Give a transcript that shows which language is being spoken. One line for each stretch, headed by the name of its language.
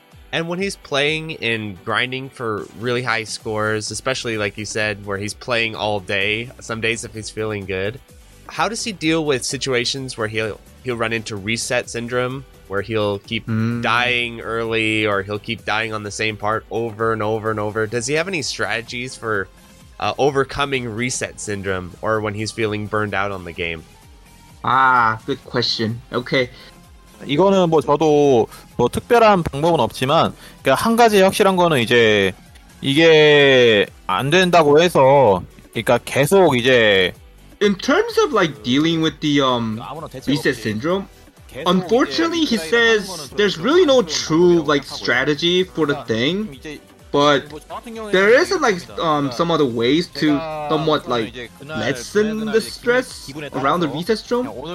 English: And when he's playing and grinding for really high scores, especially like you said, where he's playing all day, some days if he's feeling good, how does he deal with situations where he'll run into reset syndrome, where he'll keep dying early, or he'll keep dying on the same part over and over and over? Does he have any strategies for overcoming reset syndrome, or when he's feeling burned out on the game? Ah, good question. Okay.
Korean: 이거는 뭐 저도 뭐 특별한 방법은 없지만, 그러니까 한 가지 확실한 거는 이제 이게 안 된다고 해서, 그러니까 계속 이제.
English: In terms of like dealing with the reset syndrome, unfortunately, he says there's really no true like strategy for the thing. But there isn't like some other ways to somewhat like lessen the stress around the recess drum.